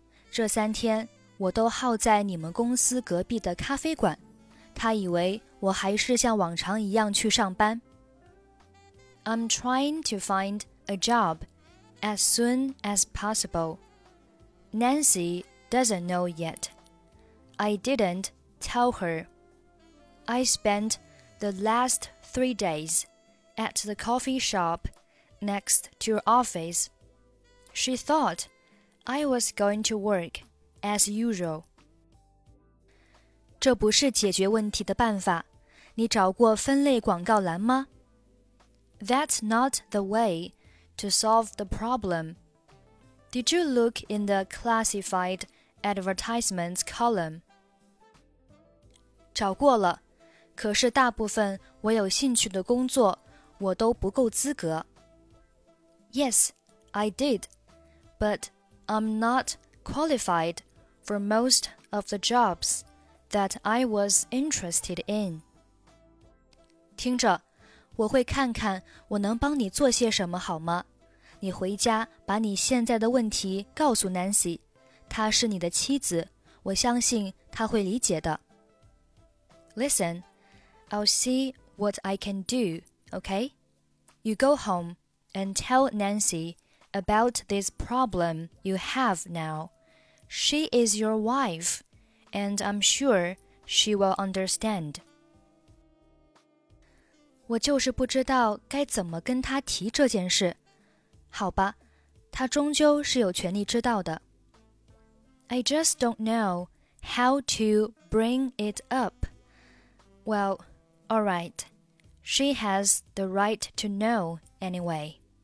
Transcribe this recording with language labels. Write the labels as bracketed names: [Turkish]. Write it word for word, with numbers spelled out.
[Chinese] 这三天我都耗在你们公司隔壁的咖啡馆，她以为我还是像往常一样去上班。 [English] I'm trying to find a job as soon as possible. Nancy doesn't know yet. I didn't tell her. I spent the last three days at the coffee shop. Next to your office. She thought I was going to work as usual. [Chinese] 这不是解决问题的办法。你找过分类广告栏吗？ [English] That's not the way to solve the problem. Did you look in the classified advertisements column? [Chinese] 找过了，可是大部分我有兴趣的工作，我都不够资格。 [English] Yes, I did, but I'm not qualified for most of the jobs that I was interested in. [Chinese] 听着，我会看看我能帮你做些什么好吗？你回家把你现在的问题告诉 Nancy， 她是你的妻子，我相信她会理解的。 [English] Listen, I'll see what I can do, okay? You go home.And tell Nancy about this problem you have now. She is your wife, and I'm sure she will understand. [Chinese] 我就是不知道该怎么跟她提这件事。好吧，她终究是有权利知道的。 [English] I just don't know how to bring it up. Well, all right. She has the right to know anyway.